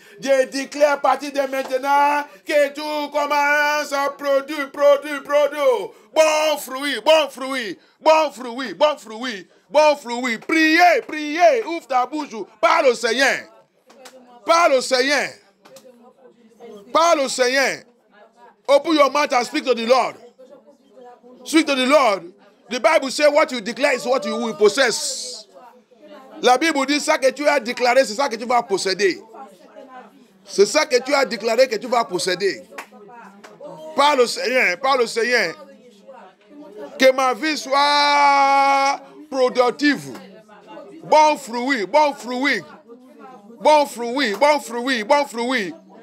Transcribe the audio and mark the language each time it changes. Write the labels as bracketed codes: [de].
[fr] Je déclare à partir de maintenant que tout commence à produire, produire, produire. Bon fruit, bon fruit, bon fruit, bon fruit, bon fruit. Priez, priez, ouvre ta bouche, parle au Seigneur. Parle au Seigneur. Parle au Seigneur. [en] Open your mouth and speak to the Lord. Speak to the Lord. The Bible says what you declare is what you will possess. [fr] La Bible dit ça que tu as déclaré, c'est ça que tu vas posséder. C'est ça que tu as déclaré que tu vas posséder. Parle au Seigneur, parle au Seigneur. Que ma vie soit productive. Bon fruit, bon fruit. Bon fruit, bon fruit, bon fruit.